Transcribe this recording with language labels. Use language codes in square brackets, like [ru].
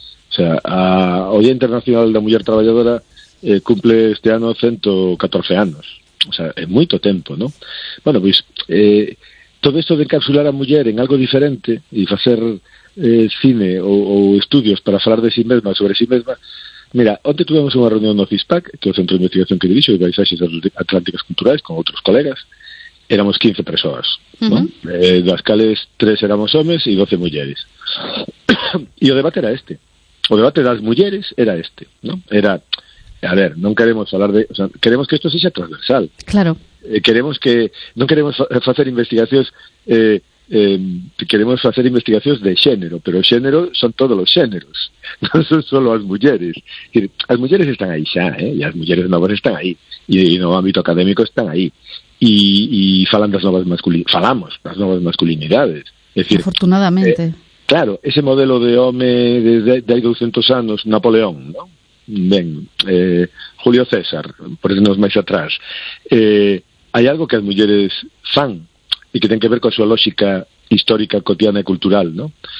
[es] O sea, hoy Día Internacional de la Mujer Trabajadora cumple este año 114 años. O sea, es mucho tiempo, ¿no? Bueno, pues todo esto de encapsular a mujer en algo diferente y hacer cine o estudios para hablar de sí misma, sobre sí misma. [gl] Mira, onte tuvemos unha reunión no CISPAC, que é o Centro de Investigación que dirixo, de Paisaxes Atlánticas Culturais, con outros colegas. Éramos 15 persoas, das cales 3 éramos homes e 12 mulleres. E o debate era este. O debate das mulleres era este, ¿no? Era, a ver, non queremos falar de... O sea, queremos que isto sexa transversal. Claro. Queremos que... Non queremos facer investigacións... queremos facer investigacións de xénero, pero o xénero son todos os xéneros, non son solo as mulleres. As mulleres están aí xa, e as mulleres novas están aí, e no ámbito académico están aí, e falan das novas falamos das novas masculinidades, [es] es decir, afortunadamente. [gl] Claro, ese modelo de home de hai 200 anos, Napoleón, ¿no? Ben, Julio César, por eso nos máis atrás, hai algo que as mulleres fan e que ten que ver coa súa lógica histórica, cotidiana e cultural, ¿no?